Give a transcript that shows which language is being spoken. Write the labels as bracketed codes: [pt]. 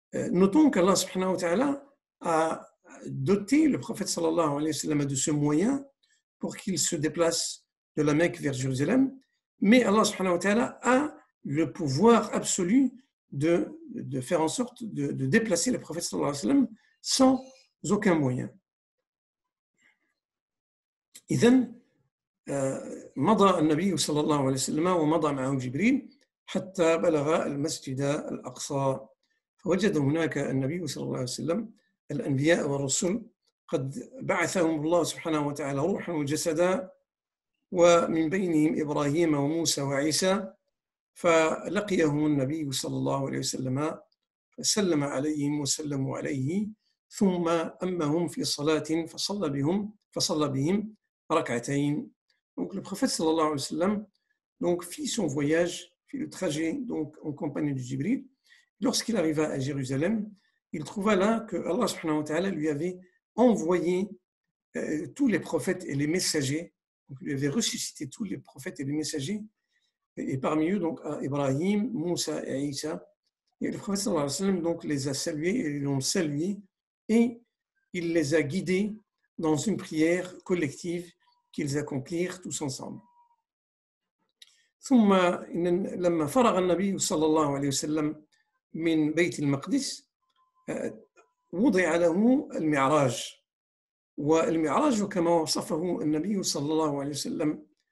[fr] Notons qu'Allah subhanahu wa ta'ala a doté le prophète sallallahu alayhi wa sallam de ce moyen pour qu'il se déplace de la Mecque vers Jérusalem, mais Allah subhanahu wa ta'ala a le pouvoir absolu de faire en sorte de déplacer le prophète sallallahu alayhi wa sallam sans aucun moyen. [ar] إذن مضى النبي صلى الله عليه وسلم ومضى معه جبريل حتى بلغ المسجد الأقصى، فوجد هناك النبي صلى الله عليه وسلم الأنبياء والرسل قد بعثهم الله سبحانه وتعالى روحا وجسدا، ومن بينهم إبراهيم وموسى وعيسى، فلقيهم النبي صلى الله عليه وسلم فسلم عليهم وسلموا عليه، ثم أمهم في صلاة فصلى بهم ركعتين. [fr] Donc le prophète sallallahu alayhi wa sallam donc fit son voyage, fit le trajet donc en compagnie de Jibril. Lorsqu'il arriva à Jérusalem, il trouva là que Allah subhanahu wa ta'ala lui avait envoyé tous les prophètes et les messagers. Donc il avait ressuscité tous les prophètes et les messagers, et parmi eux donc Ibrahim, Moussa et Isa. Et le prophète sallallahu alayhi wa sallam donc les a salués et l'ont salué, et il les a guidés dans une prière collective qu'ils accomplirent tous ensemble. [ar] ثم لما فرغ النبي صلى الله عليه وسلم من بيت المقدس وضع له المعراج، والمعراج كما وصفه النبي صلى الله عليه وسلم